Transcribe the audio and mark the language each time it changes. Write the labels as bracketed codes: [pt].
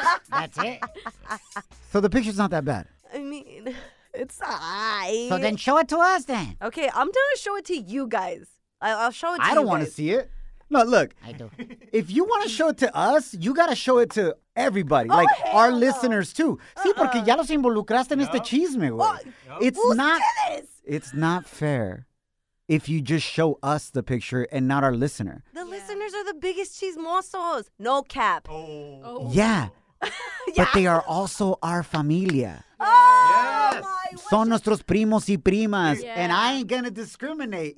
[en] That's it. So the picture's not that bad. I mean, it's it's high. So then show it to us then. Okay, I'm going to show it to you guys. I'll show it to you guys. I don't want to see it. No, look. I do. If you want to show it to us, you got to show it to everybody. Oh, like, hell. Our listeners, too. [es] Sí, porque ya los involucraste en este chisme, güey. [en] It's not fair if you just show us the picture and not our listener. The listeners are the biggest chismosos. No cap. Oh. Yeah. But they are also our familia. Yes. [es] Son nuestros primos y primas. [en] Yeah. And I ain't going to discriminate.